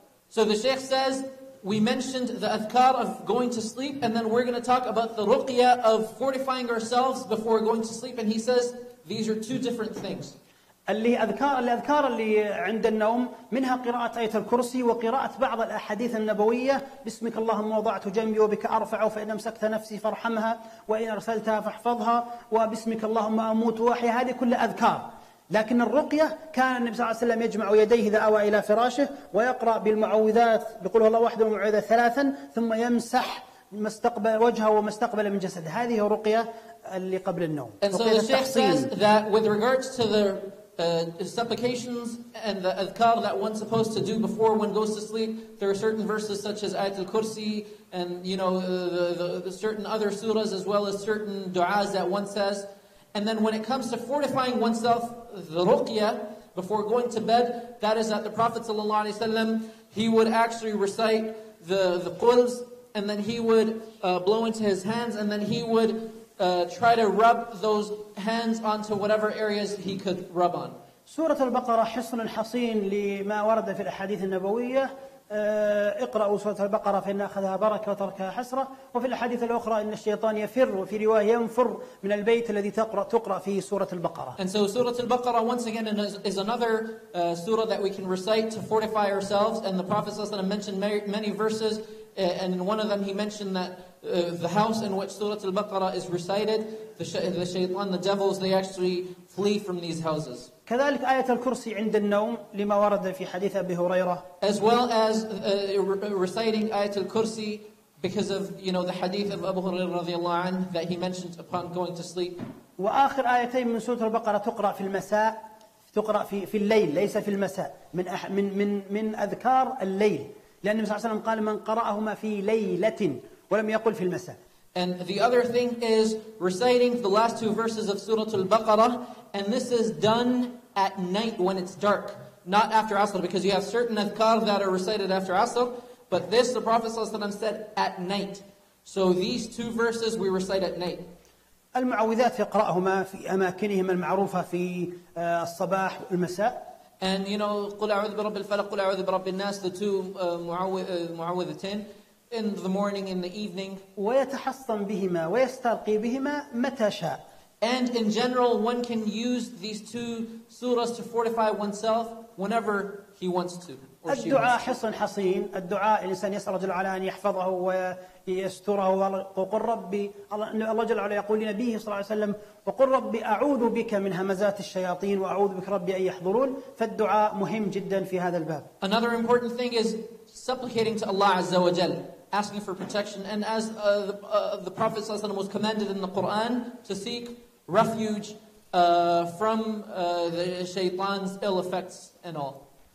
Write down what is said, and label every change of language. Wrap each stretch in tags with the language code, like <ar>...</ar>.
<en>So the Sheikh says, we mentioned the adhkar of going to sleep, and then we're going to talk about the ruqya of fortifying ourselves before going to sleep. And he says, these are two different things.</en> <ar>الأذكار اللي عند النوم منها قراءة آية الكرسي وقراءة بعض الأحاديث النبوية باسمك اللهم وضعت جنبي وبك أرفع فإن أمسكت نفسي فارحمها وإن أرسلتها فاحفظها وباسمك اللهم أموت وأحيا هذه كل أذكار لكن الرقية كان النبي صلى الله عليه وسلم يجمع يديه إذا أوى إلى فراشه ويقرأ بالمعوذات بقوله الله واحد والمعوذات ثلاثا ثم يمسح مستقبل وجهه ومستقبل من جسد هذه رقية اللي قبل النوم</ar> <en>And so the Sheikh says that with regards to the supplications and the adhkar that one's supposed to do before one goes to sleep, there are certain verses such as Ayat al-Kursi and you know the certain other surahs as well as certain du'as that one says. And then when it comes to fortifying oneself, the ruqya, before going to bed, that is that the Prophet ﷺ, he would actually recite the quls and then he would blow into his hands and then he would try to rub those hands onto whatever areas he could rub on.</en> <ar>Surah Al-Baqarah حصن حصين لما ورد في الأحاديث النبوية اقرأوا سورة البقرة فإن أخذها بركة وتركها حسرة وفي الأحاديث الأخرى إن الشيطان يفر وفي رواية ينفر من البيت الذي تقرأ فيه سورة البقرة</ar> <en>And so Surah Al-Baqarah once again is another surah that we can recite to fortify ourselves and the Prophet ﷺ mentioned many verses and in one of them he mentioned that the house in which Surah Al-Baqarah is recited the shaytan, the devils, they actually flee from these houses</en> <ar>كذلك آية الكرسي عند النوم لما ورد في حديث أبي هريرة</ar> <en>As well as reciting آية الكرسي because of you know, the hadith of Abu Hurairah</en> <ar>رضي الله عنه</ar> <en>that he mentioned upon going to sleep</en> <ar>وآخر آيتين من سورة البقرة تقرأ في المساء تقرأ في الليل ليس في المساء من أذكار الليل لأن النبي صلى الله عليه وسلم قال من قرأهما في ليلة ولم يقل في المساء</ar> <en>And the other thing is reciting the last two verses of Surah Al-Baqarah and this is done at night when it's dark, not after Asr because you have certain adhkar that are recited after Asr, but this the Prophet ﷺ said at night. So these two verses we recite at night.</en> <ar>المعوذات يقرأهما في أماكنهما المعروفة في الصباح والمساء.</ar> <en>And you know,</en> <ar>قل أعوذ برب الفلق, قل أعوذ برب الناس,</ar> <en>the two معوذتين. In the morning, in the evening.</en> <ar>ويتحصن بهما ويسترقي بهما متى شاء.</ar> <en>And in general, one can use these two surahs to fortify oneself whenever he wants to.</en> <ar>الدعاء حصن حصين. الدعاء الإنسان يسأل الله جل وعلا أن يحفظه ويستره وقل ربي الله جل وعلا يقول لنبيه صلى الله عليه وسلم وقل ربي أعوذ بك من همزات الشياطين وأعوذ بك ربي أن يحضرون. فالدعاء مهم جدا في هذا الباب.</ar> <en>Another important thing is supplicating to Allah Azza wa Jal, asking for protection. And as the Prophet Sallallahu Alaihi Wasallam was commanded in the Qur'an, to seek refuge from the shaytan's ill effects and all.</en>